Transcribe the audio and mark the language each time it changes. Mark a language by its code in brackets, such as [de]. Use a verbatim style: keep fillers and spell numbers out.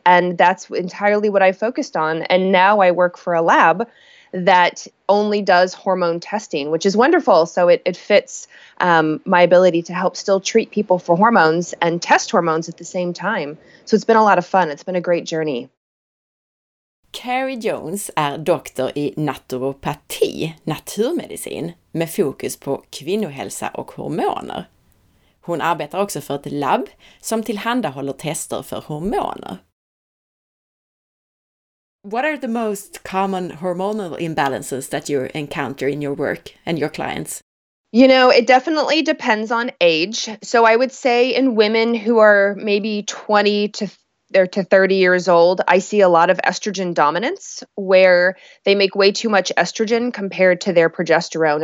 [en] And that's entirely what I focused on. And now I work for a lab that only does hormone testing, which is wonderful. So it, it fits um, my ability to help still treat people for hormones and test hormones at the same time. So it's been a lot of fun. It's been a great journey. [sv] Carrie Jones är doktor i naturopati, naturmedicin, med fokus på kvinnohälsa och hormoner. Hon arbetar också för ett labb som tillhandahåller tester för hormoner. [en] What are the most common hormonal imbalances that you encounter in your work and your clients? You know, it definitely depends on age. So I would say in women who are maybe twenty to they're to thirty years old, I see a lot of estrogen dominance where they make way too much estrogen compared to their progesterone.